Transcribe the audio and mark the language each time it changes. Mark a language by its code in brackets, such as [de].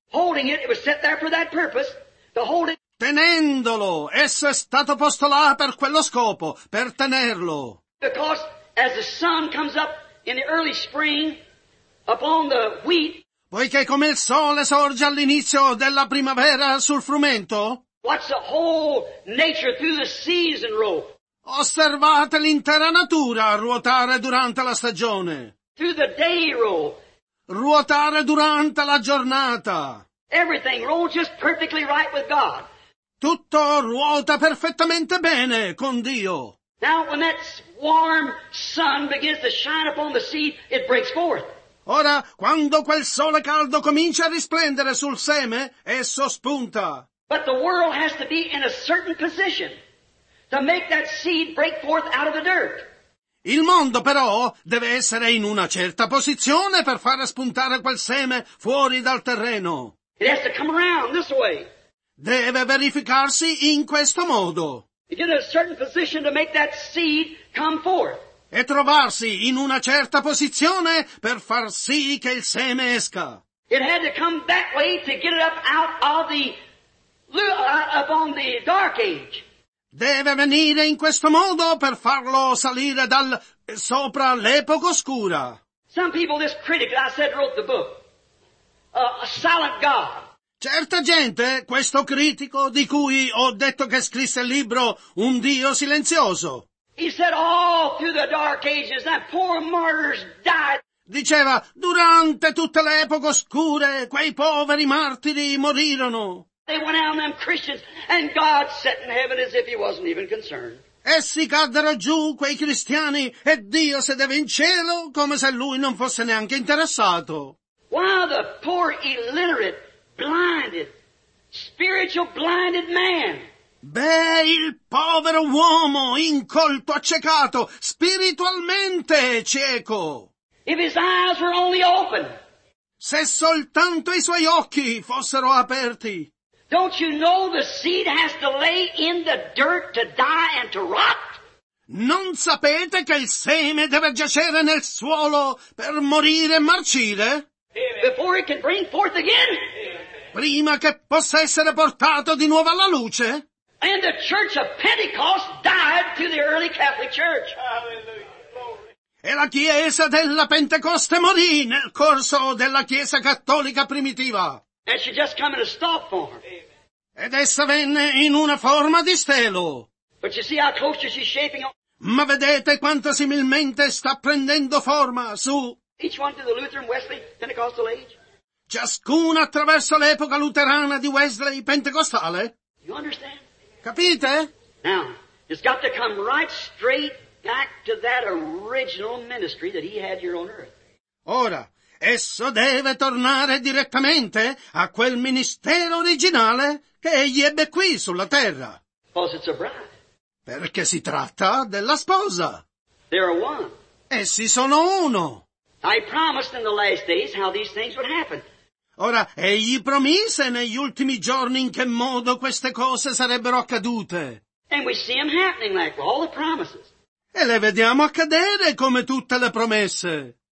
[en] Holding it, it was set there for that purpose, to hold it. [it] Tenendolo, esso è stato posto là per quello scopo, per tenerlo. [en] Because as the sun comes up in the early spring upon the wheat, [it] poiché come il sole sorge all'inizio della primavera sul frumento, [en] watch the whole nature through the season roll. [it] Osservate l'intera natura ruotare durante la stagione. [en] Through the day roll. [it] Ruotare durante la giornata. [en] Everything rolls just perfectly right with God. [it] Tutto ruota perfettamente bene con Dio. [en] Now when that warm sun begins to shine upon the seed, it breaks forth. [it] Ora, quando quel sole caldo comincia a risplendere sul seme, esso spunta. [en] But the world has to be in a certain position to make that seed break forth out of the dirt. [it] Il mondo però deve essere in una certa posizione per far spuntare quel seme fuori dal terreno. [en] It has to come around this way. [it] Deve verificarsi in questo modo. [en] Get a certain position to make that seed come forth. [it] E trovarsi in una certa posizione per far sì che il seme esca. [en] It had to come that way to get it up out of the upon the dark age. [it] Deve venire in questo modo per farlo salire dal sopra l'epoca oscura. [en] Some people, this critic I said wrote the book, a silent God. [it] Certa gente, questo critico di cui ho detto che scrisse il libro Un Dio Silenzioso. [en] He said all through the dark ages that poor martyrs died. [it] Diceva, durante tutte le epoche oscure quei poveri martiri morirono. [en] They went out on them Christians and God sat in heaven as if he wasn't even concerned. [it] Essi caddero giù quei cristiani e Dio sedeva in cielo come se lui non fosse neanche interessato. [en] Why the poor illiterate, blinded, spiritual blinded man? [it] Beh, il povero uomo incolto, accecato, spiritualmente cieco. [en] If his eyes were only open. [it] Se soltanto i suoi occhi fossero aperti. [en] Don't you know the seed has to lay in the dirt to die and to rot? [it] Non sapete che il seme deve giacere nel suolo per morire e marcire? [en] Before it can bring forth again? [it] Prima che possa essere portato di nuovo alla luce? [en] And the church of Pentecost died to the early Catholic church. Hallelujah. Glory. [it] E la chiesa della Pentecoste morì nel corso della chiesa cattolica primitiva. [en] And she just come in a stop form. [it] Ed essa venne in una forma di stelo. [en] But you see how closer she's shaping up. [it] Ma vedete quanto similmente sta prendendo forma su. [en] Each one to the Lutheran, Wesley, Pentecostal age. [it] Ciascuna attraverso l'epoca luterana di Wesley pentecostale. [en] You understand? [it] Capite? [en] Now, it's got to come right straight back to that original ministry that he had here on earth. [it] Ora, esso deve tornare direttamente a quel ministero originale che egli ebbe qui sulla terra. [en] Because it's a bride. [it] Perché si tratta della sposa. [en] They're one. [it] Essi sono uno. [en] I promised in the last days how these things would happen. [it] Ora, egli promise negli ultimi giorni in che modo queste cose sarebbero accadute. [en] And we see them happening like all the promises. [it] E le vediamo accadere come tutte le promesse.